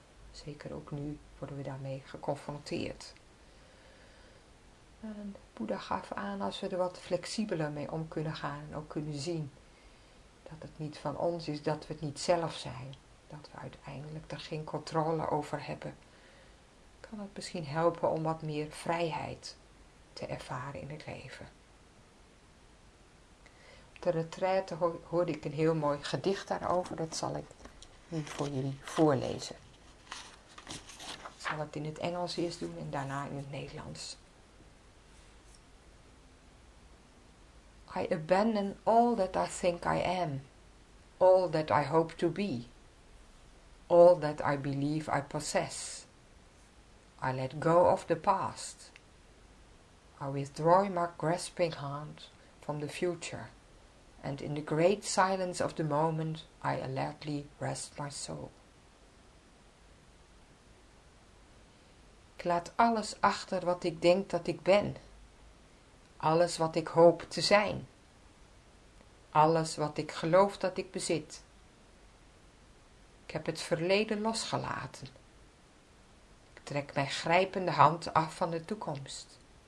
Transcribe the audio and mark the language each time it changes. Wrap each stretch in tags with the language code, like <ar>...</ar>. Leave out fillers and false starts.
<nl>Zeker ook nu worden we daarmee geconfronteerd. En Boeddha gaf aan als we er wat flexibeler mee om kunnen gaan en ook kunnen zien dat het niet van ons is, dat we het niet zelf zijn, dat we uiteindelijk er geen controle over hebben, kan het misschien helpen om wat meer vrijheid te ervaren in het leven. Op de retraite hoorde ik een heel mooi gedicht daarover, dat zal ik nu voor jullie voorlezen. Ik zal het in het Engels eerst doen en daarna in het Nederlands.</nl> <en>I abandon all that I think I am, all that I hope to be, all that I believe I possess. I let go of the past. I withdraw my grasping hand from the future, and in the great silence of the moment I alertly rest my soul.</en> <nl>Ik laat alles achter wat ik denk dat ik ben. Alles wat ik hoop te zijn, alles wat ik geloof dat ik bezit. Ik heb het verleden losgelaten. Ik trek mijn grijpende hand af van de toekomst.</nl>